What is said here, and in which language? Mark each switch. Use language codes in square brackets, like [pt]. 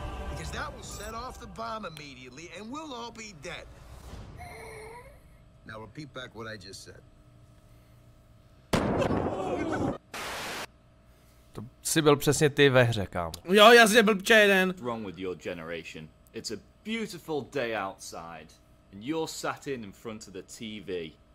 [en] Because that will set off the bomb immediately and we'll all be dead. Now repeat back what I just said. [cs] To jsi byl přesně ty ve hře, kámo. Jo, já jsem blbče jeden. [en] What's wrong with your generation? It's a beautiful day outside. And you're sat in front of the TV.